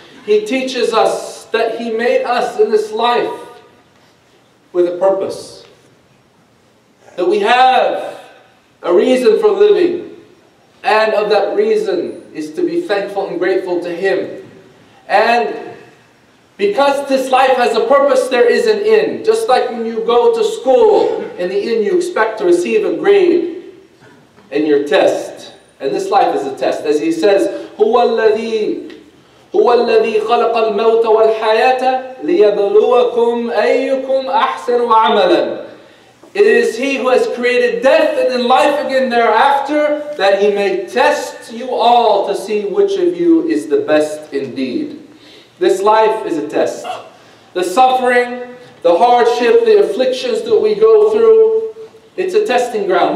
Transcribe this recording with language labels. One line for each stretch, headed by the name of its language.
English: He teaches us that He made us in this life with a purpose, that we have a reason for living, and of that reason is to be thankful and grateful to Him. And because this life has a purpose, there is an end. Just like when you go to school, in the end you expect to receive a grade in your test. And this life is a test. As he says,
Arabic: هُوَ الَّذِي خَلَقَ الْمَوْتَ وَالْحَيَاةَ لِيَبْلُوَكُمْ أَيُّكُمْ أَحْسَنُ عَمَلًا.
English: It is He who has created death and then life again thereafter, that He may test you all to see which of you is the best indeed. This life is a test. The suffering, the hardship, the afflictions that we go through, it's a testing ground.